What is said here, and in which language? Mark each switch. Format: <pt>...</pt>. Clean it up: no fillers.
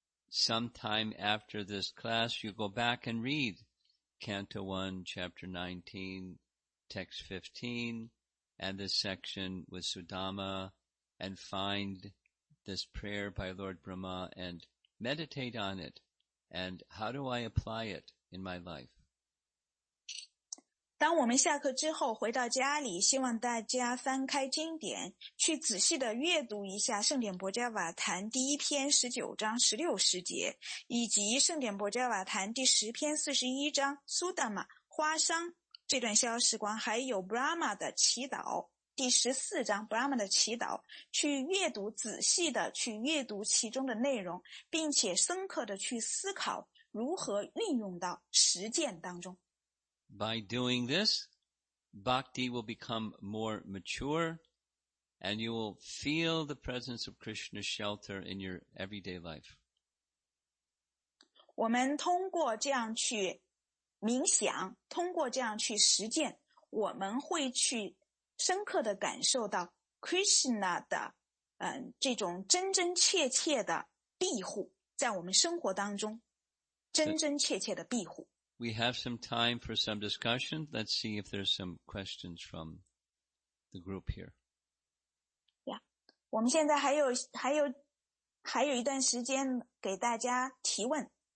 <en>Sometime after this class, you go back and read Canto 1, Chapter 19, Text 15, and this section with Sudama, and find this prayer by Lord Brahma and meditate on it. And how do I apply it in my life?</en> <zh>当我们下课之后回到家里，希望大家翻开经典，去仔细的阅读一下《圣典薄伽瓦坛》第一篇19章16十节，以及《圣典薄伽瓦坛》第十篇41章苏达玛花商这段逍遥时光，还有 Brahma 的祈祷第14章 Brahma 的祈祷，去阅读，仔细的去阅读其中的内容，并且深刻的去思考如何运用到实践当中。</zh> <en>By doing this, bhakti will become more mature, and you will feel the presence of Krishna's shelter in your everyday life.</en> <zh>我们通过这样去冥想，通过这样去实践，我们会去深刻的感受到 Krishna 的这种真真切切的庇护，在我们生活当中真真切切的庇护。</zh> <en>We have some time for some discussion. Let's see if there's some questions from the group here. Yeah.</en> <zh>我们现在还有一段时间给大家提问。</zh>